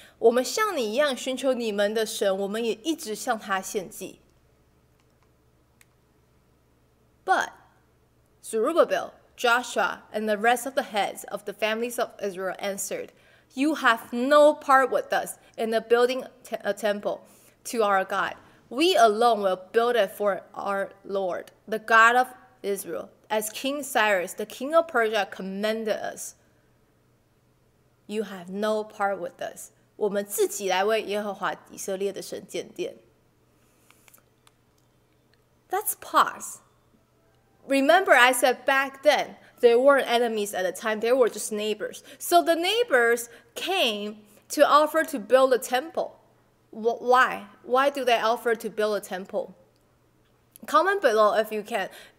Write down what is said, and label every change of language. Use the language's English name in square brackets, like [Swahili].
[Chinese] 我们像你一样寻求你们的神，我们也一直向他献祭。 [English] But Zerubbabel, Joshua, and the rest of the heads of the families of Israel answered, you have no part with us in the building a temple to our God. We alone will build it for our Lord, the God of Israel, as King Cyrus, the king of Persia, commanded us. You have no part with us. [Chinese] 我们自己来为耶和华以色列的神建殿. [English] Let's pause. Remember, I said back then, they weren't enemies at the time, they were just neighbors. So the neighbors came to offer to build a temple. Why? Why do they offer to build a temple? Comment below if you can.